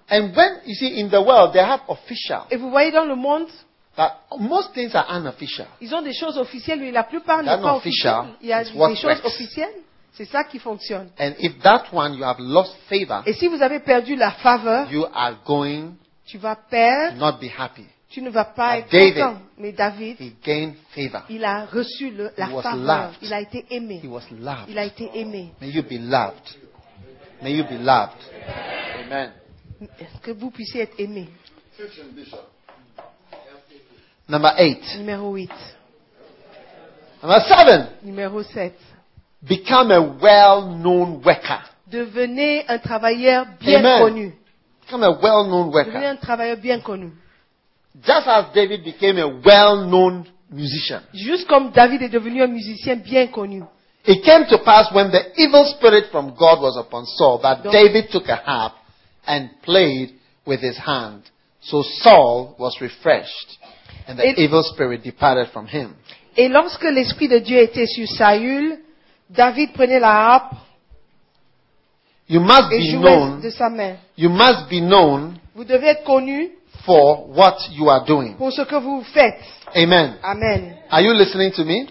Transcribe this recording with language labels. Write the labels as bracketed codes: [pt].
[en] And when, you see, in the world, they have official. [fr] Et vous voyez dans le monde [en] that most things are unofficial. [fr] Ils ont des choses officielles, mais la plupart n'est pas officielle. Il y a des choses officielles. C'est ça qui fonctionne. [en] And if that one you have lost favor, [fr] et si vous avez perdu la faveur, [en] you are going [fr] tu vas perdre, [en] not be happy. [fr] Tu ne vas pas [en] but [fr] être [en] David, [fr] content. Mais David, [en] he gained favor. [fr] Il a reçu la [en] he was [fr] faveur. [en] Loved. [fr] Il a été aimé. [en] He was loved. [fr] Il a été aimé. [en] May you be loved. May you be loved. Amen. [fr] Que vous puissiez être aimé. [en] Number 8. [fr] Numéro 8. [en] Number 7. [fr] Numéro 7. [en] Become a well-known worker. [fr] Devenez un travailleur bien Amen. Connu. [en] Become a well-known worker. [fr] Devenez un travailleur bien connu. [en] Just as David became a well-known musician. [fr] Juste comme David est devenu un musicien bien connu. [en] It came to pass when the evil spirit from God was upon Saul that Donc, David took a harp and played with his hand. So Saul was refreshed and the evil spirit departed from him. [fr] Et lorsque l'esprit de Dieu était sur Saül, David prenait la harpe. [en] You must be known. [fr] De sa main. [en] You must be known. [fr] Vous devez être connu [en] for what you are doing. [fr] Pour ce que vous faites. Amen. Amen. [en] Are you listening to me?